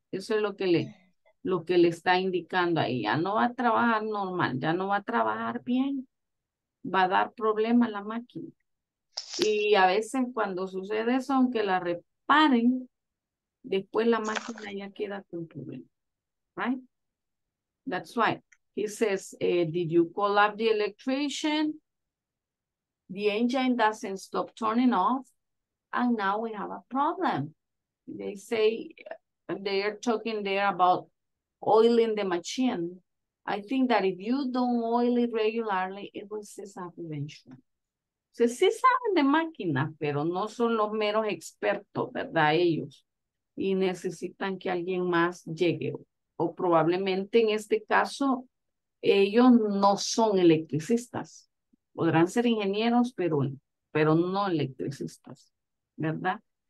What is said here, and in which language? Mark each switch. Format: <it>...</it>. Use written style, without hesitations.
<es>Eso es lo que le está indicando ahí, ya no va a trabajar normal, ya no va a trabajar bien, va a dar problema a la máquina. Y a veces cuando sucede eso, aunque la reparen, después la máquina ya queda con problema.</es> <en>Right? That's why. He says, did you call up the electrician? The engine doesn't stop turning off, and now we have a problem. They say, they're talking there about oiling the machine. I think that if you don't oil it regularly, it will cease up eventually.</en> <es>O sea, sí saben de máquinas, pero no son los meros expertos, ¿verdad? Ellos. Y necesitan que alguien más llegue. O probablemente en este caso, ellos no son electricistas. Podrán ser ingenieros, pero no electricistas, ¿verdad?</es>